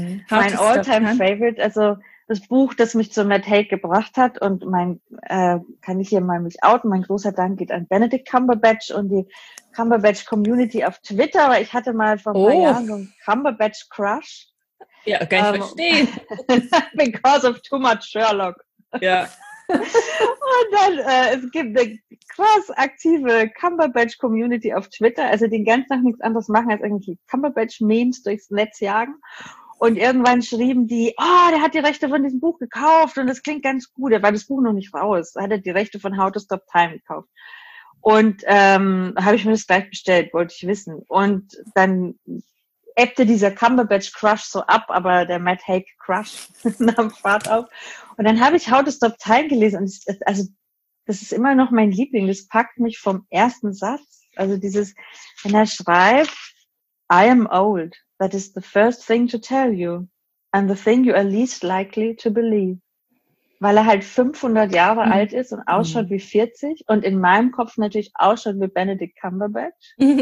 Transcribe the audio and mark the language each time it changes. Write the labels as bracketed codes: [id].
[de] Mein all-time-favorite, also das Buch, das mich zur Mad Hate gebracht hat und mein, kann ich hier mal mich outen, mein großer Dank geht an Benedict Cumberbatch und die Cumberbatch Community auf Twitter, weil ich hatte mal vor ein paar Jahren so einen Cumberbatch Crush. Ja, kann ich verstehen. [en] Because of too much Sherlock. [de] Ja. Und dann, es gibt eine krass aktive Cumberbatch Community auf Twitter, also den ganzen Tag nichts anderes machen, als irgendwie Cumberbatch Memes durchs Netz jagen. Und irgendwann schrieben die, oh, der hat die Rechte von diesem Buch gekauft und das klingt ganz gut. Er war das Buch noch nicht raus. Da hat er die Rechte von How to Stop Time gekauft. Und habe ich mir das gleich bestellt, wollte ich wissen. Und dann ebbte dieser Cumberbatch-Crush so ab, aber der Matt Haig-Crush nahm Fahrt auf. Und dann habe ich How to Stop Time gelesen. Und ich, also das ist immer noch mein Liebling. Das packt mich vom ersten Satz. Also dieses, wenn er schreibt, [en] I am old. That is the first thing to tell you and the thing you are least likely to believe. [de] Weil er halt 500 Jahre alt ist und ausschaut wie 40 und in meinem Kopf natürlich ausschaut wie Benedict Cumberbatch.